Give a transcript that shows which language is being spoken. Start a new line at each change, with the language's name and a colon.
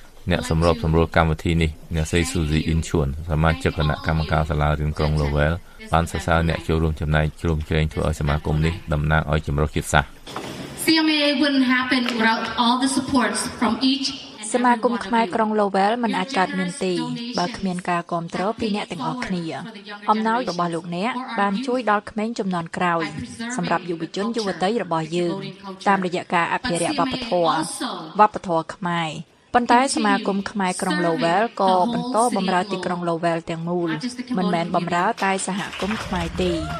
Khmer: អ្នកសម្របសម្រួលកម្មវិធីនេះអ្នកស្រីស៊ូស៊ីអ៊ីនឈួនសមាជិកគណៈកម្មការសាលារៀនក្រុងលូវែលបានសរសើរអ្នកចូលរួមចំណែកជ្រោមជ្រែងធ្វើឲ្យសមាគមនេះតំណាងឲ្យជំរុញជាតិសាសន៍
English: CMAA wouldn't happen without all the supports from each
Khmer: សមាគមខ្មែរក្រុងលូវែលមិនអាចកើតមានទេបើគ្មានការគាំទ្រពីអ្នកទាំងអស់គ្នាអំណោយរបស់លោកអ្នកបានជួយដល់ក្មេងជំនាន់ក្រោយសម្រាប់យុវជនយុវតីរបស់យើងតាមរយៈការអភិរក្សវប្បធម៌ខ្មែរប៉ុន្តែសមាគមខ្មែរក្រុងលូវែលក៏បន្តបម្រើទីក្រុងលូវែលទាំងមូលមិនមែនបម្រើតែសហគមន៍ខ្មែរទេ